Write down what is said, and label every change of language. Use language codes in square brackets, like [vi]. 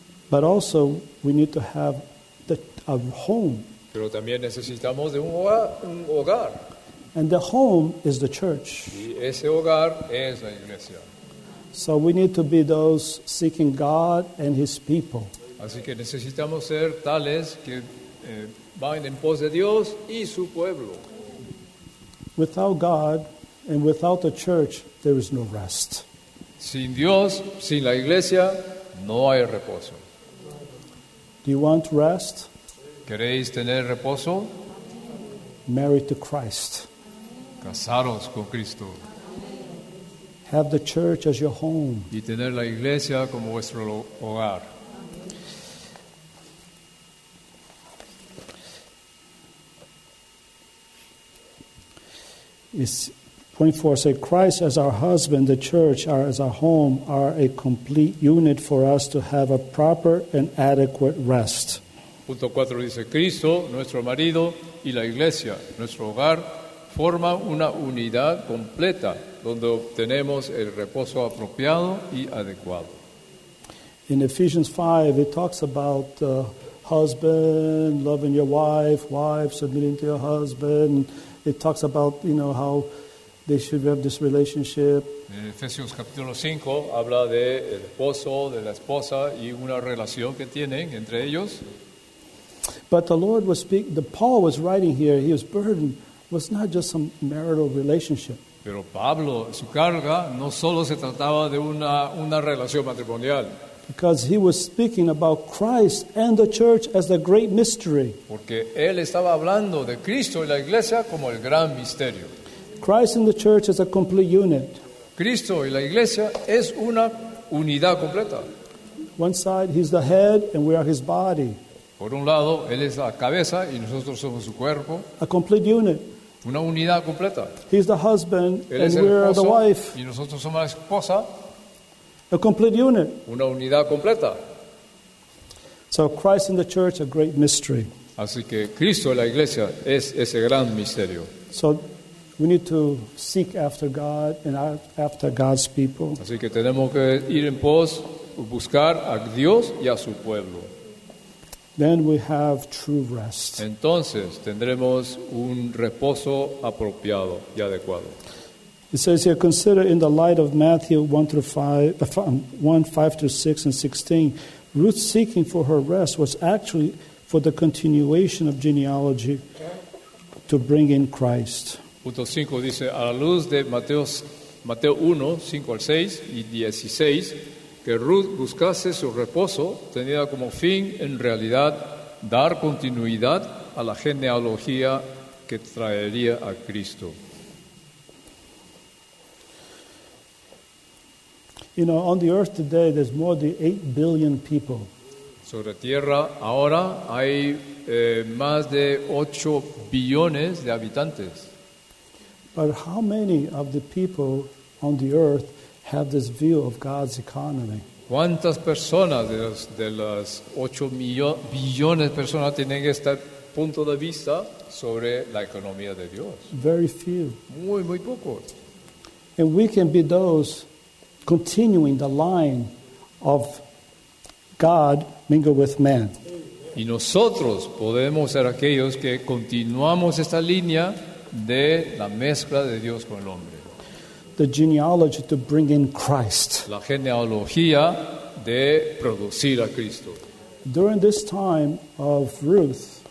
[en] But also, we need to have a home. [es] Pero también necesitamos de un hogar. [en] And the home is the church. [es] Y ese hogar es la iglesia. [en] So we need to be those seeking God and His people. [es] Así que necesitamos ser tales que van en pos de Dios y su pueblo. [en] Without God and without the church, there is no rest. [es] Sin Dios, sin la iglesia, no hay reposo. [en] Do you want rest? [es] ¿Queréis tener reposo? [en] Married to Christ. [es] Casaros con Cristo. [en] Have the church as your home. [es] Y tener la iglesia como vuestro hogar. [en] It's 24 say Christ as our husband, the church as our home, are a complete unit for us to have a proper and adequate rest. [es] Punto 4 dice Cristo, nuestro marido, y la iglesia, nuestro hogar, forman una unidad completa donde obtenemos el reposo apropiado y adecuado. [en] In Ephesians 5, it talks about husband loving your wife, wife submitting to your husband. It talks about, you know, how they should have this relationship. [es] En Efesios capítulo 5 habla de el esposo, de la esposa y una relación que tienen entre ellos. [en] But the Lord was speaking, the Paul was writing here, his burden was not just some marital relationship. [es] Pero Pablo, su carga no solo se trataba de una relación matrimonial. [en] Because he was speaking about Christ and the church as the great mystery. [es] Porque él estaba hablando de Cristo y la iglesia como el gran misterio. [en] Christ and the church is a complete unit. [es] Cristo y la iglesia es una unidad completa. [en] One side, he's the head and we are his body. [es] Por un lado, él es la cabeza y nosotros somos su cuerpo. [en] A complete unit. [es] Una unidad completa. [en] He's the husband [es] él [en] and we are the wife. [es] Y nosotros somos la esposa. [en] A complete unit. [es] Una unidad completa. [en] So Christ and the church, a great mystery. [es] Así que Cristo y la iglesia es ese gran misterio. [en] So we need to seek after God and after God's people. [es] Así que tenemos que ir en pos, buscar a Dios y a su pueblo. [en] Then we have true rest. [es] Entonces tendremos un reposo apropiado y adecuado. [en] It says here, consider in the light of Matthew 1:5-6 and 16, Ruth's seeking for her rest was actually for the continuation of genealogy to bring in Christ. [es] Punto 5 dice, a la luz de Mateo 1, 5 al 6 y 16, que Ruth buscase su reposo, tenía como fin, en realidad, dar continuidad a la genealogía que traería a Cristo. [en] You know, on the earth today, there's more than 8 billion people. [es] Sobre tierra, ahora hay más de 8 billones de habitantes. [en] But how many of the people on the earth have this view of God's economy? [es] ¿Cuántas personas de las 8 billones de personas tienen este punto de vista sobre la economía de Dios? [en] Very few. [es] Muy, muy pocos. [en] And we can be those continuing the line of God mingled with man. [es] Y nosotros podemos ser aquellos que continuamos esta línea de la mezcla de Dios con el hombre. [en] The genealogy to bring in Christ. [es] La genealogía de producir a Cristo. [en] During this time of Ruth,